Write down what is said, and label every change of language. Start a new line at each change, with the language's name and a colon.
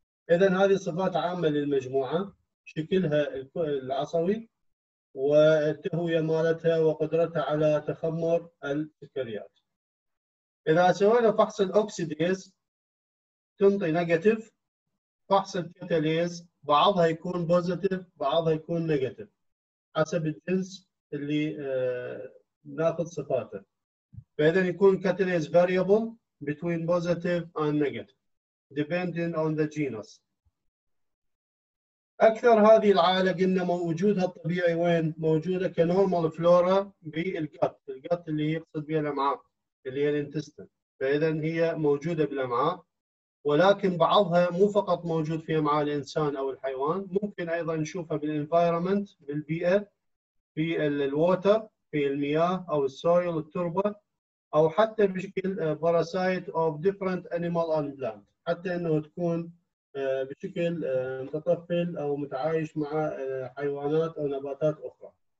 Arabic: اذا هذه صفات عامه للمجموعه، شكلها العصوي والتهويه مالتها وقدرتها على تخمر السكريات. إذا سوينا فحص الأوكسيديز تنطي نيجاتيف، فحص الكاتاليز بعضها يكون بوزيتيف بعضها يكون نيجاتيف حسب الجنس اللي ناخذ صفاته. فإذا يكون كاتاليز
English: variable between positive and negative depending on the genus.
Arabic: أكثر هذه العائلة قلنا موجودها الطبيعي وين؟ موجودة كنورمال فلورا بالجت، الجت اللي يقصد بها الأمعاء اللي هي الانتستين. فاذا هي موجوده بالامعاء، ولكن بعضها مو فقط موجود في امعاء الانسان او الحيوان، ممكن ايضا نشوفها بالانفايرمنت بالبيئه، في الووتر في المياه او السويل التربه، او حتى بشكل
English: parasite of different animal and plant,
Arabic: حتى انه تكون بشكل متطفل او متعايش مع حيوانات او نباتات اخرى.